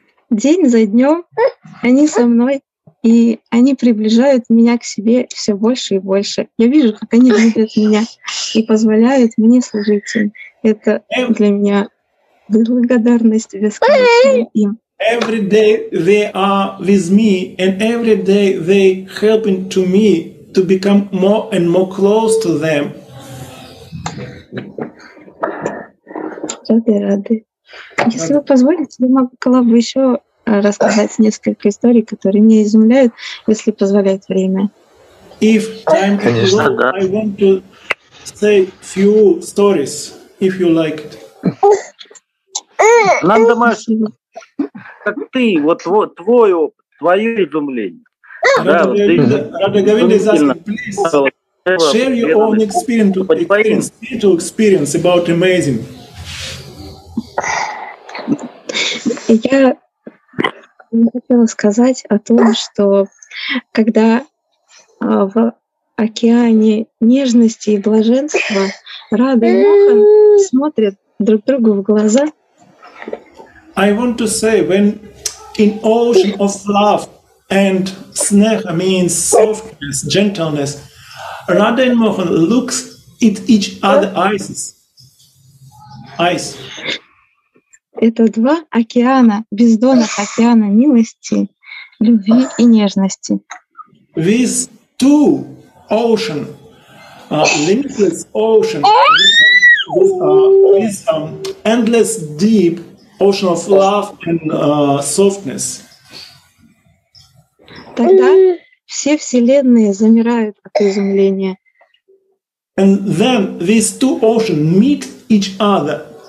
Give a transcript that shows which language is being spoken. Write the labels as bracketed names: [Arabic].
[Russian] День за днем они со мной, и они приближают меня к себе все больше и больше. Я вижу, как они любят меня и позволяют мне служить им. Это для меня Благодарность бесконечна им. [English] Every day they are with me, and every day they helping to me to become more and more close to them. [Russian] Рады. Если вы позволите, я могла бы еще рассказать несколько историй, которые меня изумляют, если позволяет время. [English] If time allows, I want to say few stories, if you like it. [Russian] Нам домашний, как ты, вот твой опыт, твое изумление. [English] Рада Говинда is asking, please share your own experience about amazing. [Russian] Я хотела сказать о том, что когда в океане нежности и блаженства Рада и Мохан смотрят друг другу в глаза. [English] I want to say when in ocean of love and sneha means softness, gentleness, Rada and Mohan looks at each other eyes. [Russian] Это два океана, бездонных океана милости, любви и нежности. [English] These two ocean, limitless ocean, this endless deep ocean of love and softness. [Russian] Тогда все вселенные замирают от изумления. [English] And then these two oceans meet each other.